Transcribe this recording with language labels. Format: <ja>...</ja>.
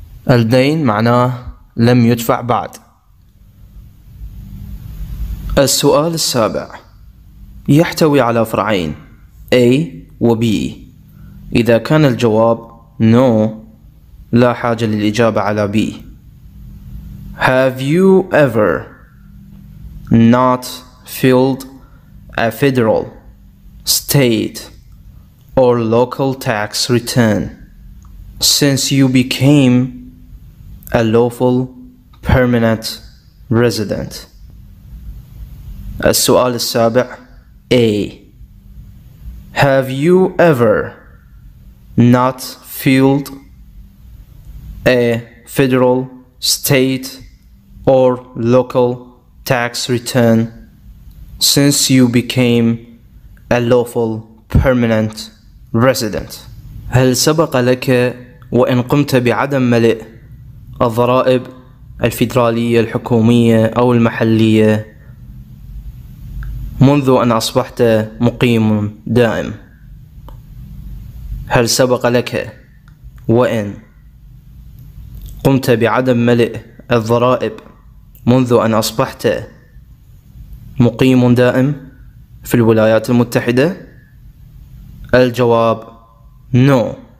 <ar>الدين معناه لم يدفع بعد. السؤال السابع يحتوي على فرعين A و B. إذا كان الجواب</ar> <en>no</en> <ar>لا حاجة للإجابة على B.</ar> <en>Have you ever not filled a federal, state, or local tax return since you became a lawful permanent resident?</en> <ar>السؤال السابع A.</ar> <en>Have you ever not filled a federal, state, or local tax return since you became a lawful permanent resident?</en> <ar>هل سبق لك وإن قمت بعدم ملء الضرائب الفيدرالية الحكومية أو المحلية منذ أن أصبحت مقيم دائم؟ هل سبق لك وإن قمت بعدم ملء الضرائب منذ أن أصبحت مقيم دائم في الولايات المتحدة؟ الجواب</ar> <en>No.</en>